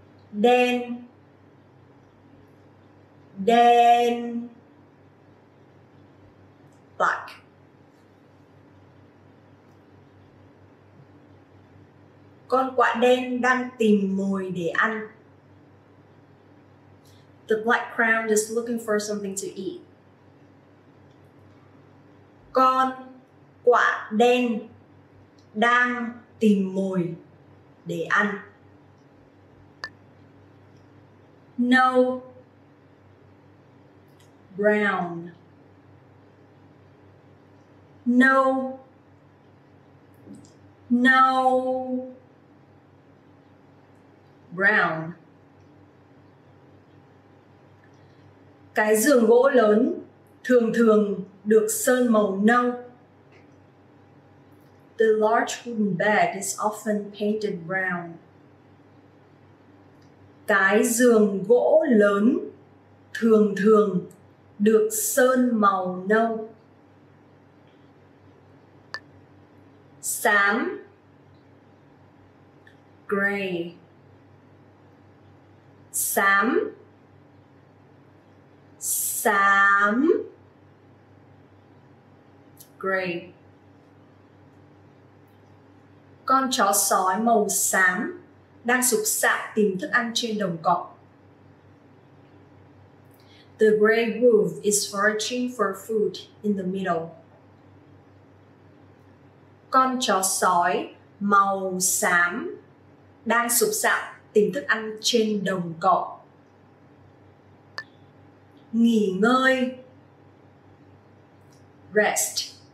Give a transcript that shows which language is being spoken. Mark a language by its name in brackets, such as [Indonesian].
[Vietnamese] Đen, đen, black. Con quạ đen đang tìm mồi để ăn. [English] The black crow is looking for something to eat. [Vietnamese] Con quạ đen đang tìm mồi để ăn. [English] No, brown. No, no, brown. [Vietnamese] Cái giường gỗ lớn thường thường được sơn màu nâu. [English] The large wooden bed is often painted brown. [Vietnamese] Cái giường gỗ lớn thường thường được sơn màu nâu. Xám, gray. Xám, xám, gray. Con chó sói màu xám đang sục sạo tìm thức ăn trên đồng cỏ. [English] The gray wolf is foraging for food in the meadow. [Vietnamese] Con chó sói màu xám đang sục sạo tìm thức ăn trên đồng cỏ. Nghỉ ngơi, [English] rest.